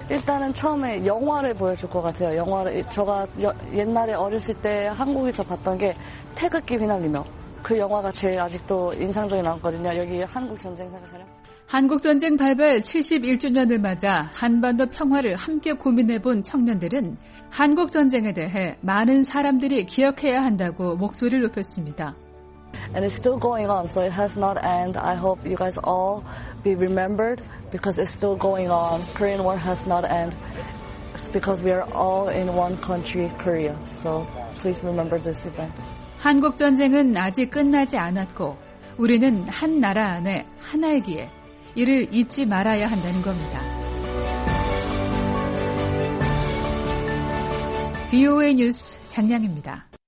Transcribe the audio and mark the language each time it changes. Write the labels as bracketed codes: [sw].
[ko] 일단은 처음에 영화를 보여줄 것 같아요. 영화를 제가 옛날에 어렸을 때 한국에서 봤던 게 태극기 휘날리며 그 영화가 제일 아직도 인상적이 나왔거든요. 여기 한국 전쟁 생각하면 한국전쟁 발발 71주년을 맞아 한반도 평화를 함께 고민해본 청년들은 한국전쟁에 대해 많은 사람들이 기억해야 한다고 목소리를 높였습니다. [en] And it's still going on, so it has not ended. I hope you guys all be remembered because it's still going on. Korean War has not ended. next because we are all in one country, Korea. So please remember this event. [ko] 한국 전쟁은 아직 끝나지 않았고 우리는 한 나라 안에 하나이기에 이를 잊지 말아야 한다는 겁니다. VOA 뉴스 장량입니다.